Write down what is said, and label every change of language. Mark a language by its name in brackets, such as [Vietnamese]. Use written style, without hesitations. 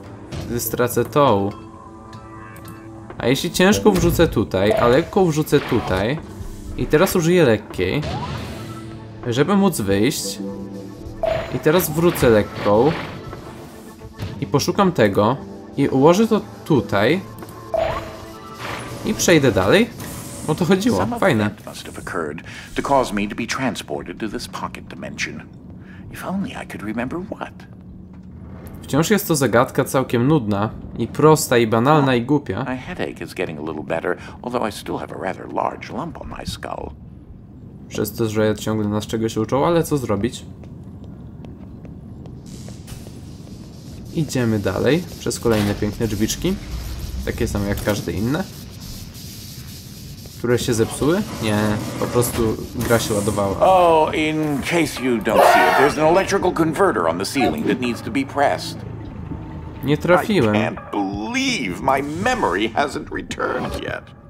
[Polish] Wtedy stracę tą. A jeśli ciężką wrzucę tutaj, a lekką wrzucę tutaj... I teraz użyję lekkiej... żeby móc wyjść. I teraz wrócę lekko i poszukam tego i ułożę to tutaj i przejdę dalej. O to chodziło, fajne. [English] Must have occurred to cause me to be transported to this pocket dimension. If only I could remember what. [Polish] Wciąż jest to zagadka całkiem nudna i prosta i banalna i głupia. [English] My headache is getting a little better, although I still have a rather large lump on my skull. [Polish] Przez to, że ja ciągle nas czegoś uczą, ale co zrobić? Idziemy dalej przez kolejne piękne drzwiczki. Takie same jak każde inne. Które się zepsuły? Nie, po prostu gra się ładowała. [English] Oh, in case you don't see it, there's an electrical converter on the ceiling that needs to be pressed. [Polish] Nie trafiłem. [English] I can't believe my memory hasn't returned yet.